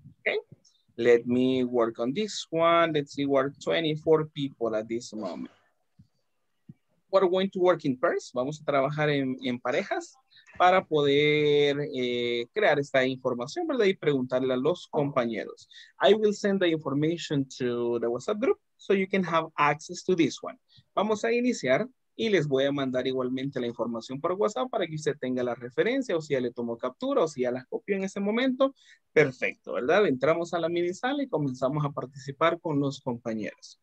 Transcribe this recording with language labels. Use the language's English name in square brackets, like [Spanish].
[English] ¿Okay? Let me work on this one. Let's see, we're 24 people at this moment. We're going to work in pairs. [Spanish] Vamos a trabajar en parejas para poder crear esta información, ¿verdad? Y preguntarle a los compañeros. [English] I will send the information to the WhatsApp group so you can have access to this one. [Spanish] Vamos a iniciar y les voy a mandar igualmente la información por WhatsApp para que usted tenga la referencia o si ya le tomó captura o si ya las copió en ese momento. Perfecto, ¿verdad? Entramos a la mini sala y comenzamos a participar con los compañeros.